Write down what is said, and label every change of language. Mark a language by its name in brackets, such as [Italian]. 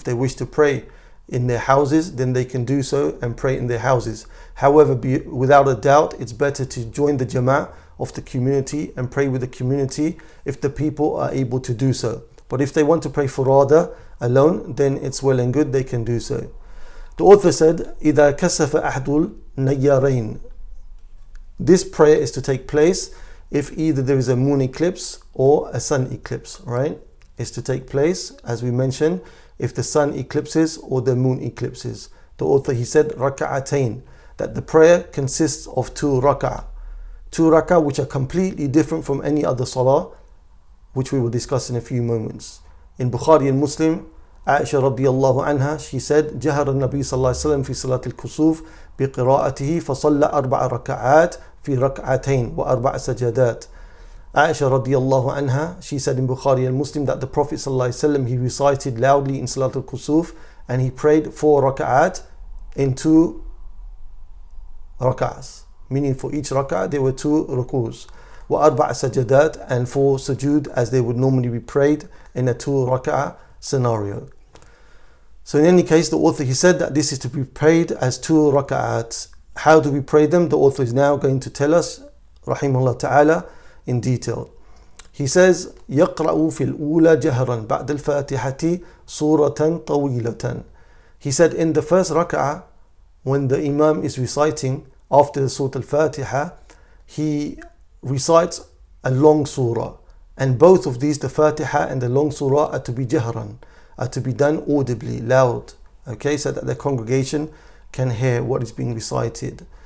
[English] If they wish to pray in their houses, then they can do so and pray in their houses. However, without a doubt, it's better to join the jama'ah of the community and pray with the community if the people are able to do so. But if they want to pray furada alone, then it's well and good, they can do so. The author said, [Arabic] إِذَا كَسَفَ أَحْدُ النَّيَّارَيْنِ. [English] This prayer is to take place if either there is a moon eclipse or a sun eclipse, right? It's to take place, as we mentioned, if the sun eclipses or the moon eclipses. The author, he said, رَكَعَتَيْنِ, that the prayer consists of two raka'a. Two raka'a which are completely different from any other salah, which we will discuss in a few moments. In Bukhari and Muslim, Aisha radiallahu anha, she said, [Arabic] جَهَرَ النَّبِي صَلَّى اللَّهِ وَسَلَّمَ فِي صَلَاتِ الْكُسُوفِ بِقِرَاءَتِهِ فَصَلَّ أَرْبَعَ رَكَعَاتِ فِي رَكْعَتَيْنِ وَأَرْبَعَ سَجَدَاتِ. [English] Aisha radiallahu anha, she said in Bukhari and Muslim that the Prophet [Arabic] صلى الله عليه وسلم, [English] he recited loudly in صلاة الكسوف and he prayed four rak'at in two rak'as, meaning for each rak'at there were two ruku's. [Arabic] وَأَرْبَعَ سَجَدَاتِ, [English] and four sujood as they would normally be prayed in a two raka'ah scenario. So in any case, the author, he said that this is to be prayed as two raka'at. How do we pray them? The author is now going to tell us, rahimahullah ta'ala, in detail. He says, [Arabic] يَقْرَأُ فِي الْأُولَى جَهْرًا بَعْدَ الْفَاتِحَةِ سُورَةً طَوِيلَةً. [English] He said, in the first raka'ah, when the imam is reciting after the surah al-fatiha, he recites a long surah. And both of these, the Fatiha and the long surah, are to be jahran, are to be done audibly, loud, okay, so that the congregation can hear what is being recited.